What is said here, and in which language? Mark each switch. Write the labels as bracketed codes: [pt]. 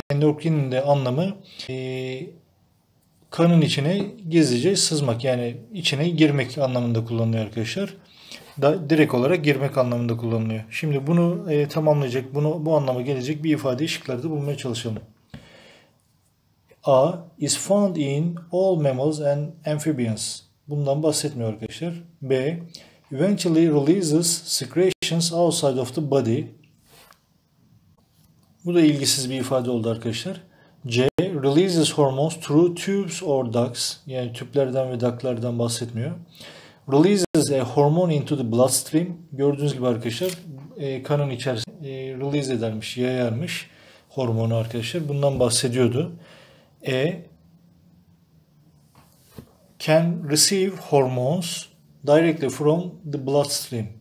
[tr] Endocrine'in de anlamı kanın içine gizlice sızmak, yani içine girmek anlamında kullanılıyor arkadaşlar. Direkt olarak girmek anlamında kullanılıyor. Şimdi bunu tamamlayacak, bu anlama gelecek bir ifade şıkları da bulmaya çalışalım. [en] A is found in all mammals and amphibians. [tr] Bundan bahsetmiyor arkadaşlar. [en] B eventually releases secretions outside of the body. [tr] Bu da ilgisiz bir ifade oldu arkadaşlar. [en] C releases hormones through tubes or ducts. [tr] Yani tüplerden ve ductlardan bahsetmiyor. [en] Releases a hormone into the bloodstream. [tr] Gördüğünüz gibi arkadaşlar kanın içerisine release edermiş, yayarmış hormonu arkadaşlar. Bundan bahsediyordu. [en] E can receive hormones directly from the bloodstream.